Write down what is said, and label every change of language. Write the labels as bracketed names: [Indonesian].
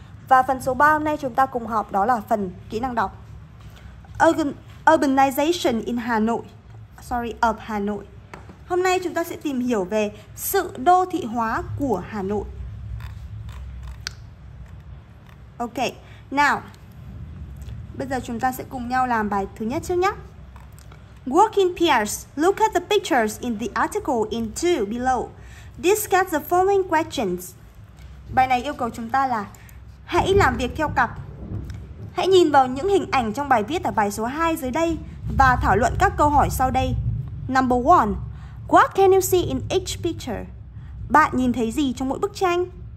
[Vietnamese] Và phần số 3 hôm nay chúng ta cùng học đó là phần kỹ năng đọc. [English] Urbanization in Hà Nội. Sorry, of Hà Nội. [Vietnamese] Hôm nay chúng ta sẽ tìm hiểu về sự đô thị hóa của Hà Nội. Ok, now, bây giờ chúng ta sẽ cùng nhau làm bài thứ nhất trước nhé. [English] Working pairs, look at the pictures in the article in 2 below. Discuss the following questions. [Vietnamese] Bài này yêu cầu chúng ta là hãy làm việc theo cặp. Hãy nhìn vào những hình ảnh trong bài viết ở bài số 2 dưới đây và thảo luận các câu hỏi sau đây. [English] Number 1. What can you see in each picture? [Vietnamese] Bạn nhìn thấy gì trong mỗi bức tranh?